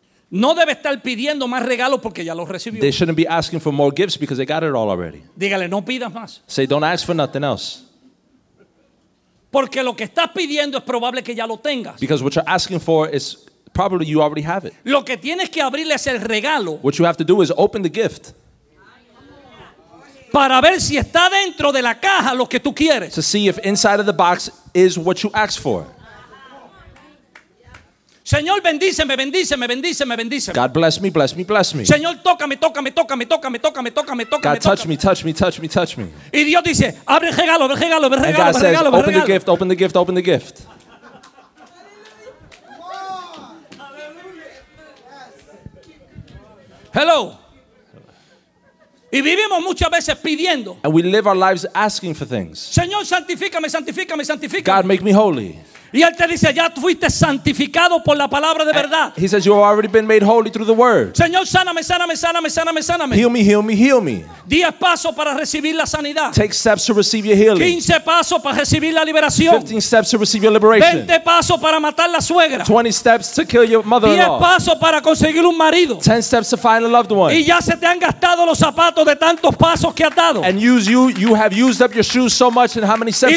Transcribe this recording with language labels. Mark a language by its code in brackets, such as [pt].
[es] No debe estar pidiendo más regalos porque ya los recibió. [en] They shouldn't be asking for more gifts because they got it all already. [es] Dígale, no pidas más. [en] Say, don't ask for nothing else. [es] Porque lo que estás pidiendo es probable que ya lo tengas. [en] Because what you're asking for is probably you already have it. [es] Lo que tienes que abrirle es el regalo. [en] What you have to do is open the gift. [es] Para ver si está dentro de la caja lo que tú quieres. [en] To see if inside of the box is what you asked for. [es] Señor, bendíceme, bendíceme, bendíceme, bendíceme. [en] God bless me, bless me, bless me. [es] Señor, tócame, tócame, tócame, tócame, tócame, tócame, tócame. [en] God, touch me, touch me, touch me, touch me. [es] Y Dios dice, abre el regalo, abre el regalo, abre el regalo, abre el regalo. [en] And God says, open the gift, open the gift, open the gift. [es] Hello. Y vivimos muchas veces pidiendo. [en] And we live our lives asking for things. [es] Señor, santifícame, santifícame, santifícame. [en] God, make me holy. [es] Y él te dice, ya fuiste santificado por la palabra de verdad. [en] He says, you have already been made holy through the word. [es] Señor, sáname, sáname, sáname, sáname, sáname. [en] Heal me, heal me, heal me. [es] 10 pasos para recibir la sanidad. [en] Take steps to receive your healing. [es] 15 pasos para recibir la liberación. [en] 15 steps to receive your liberation. [es] 20 pasos para matar la suegra. [en] 20 steps to kill your mother-in-law. [es] 10 pasos para conseguir un marido. [en] 10 steps to find a loved one. [es] Y ya se te han gastado los zapatos de tantos pasos que has dado. [en] And you have used up your shoes so much, and how many steps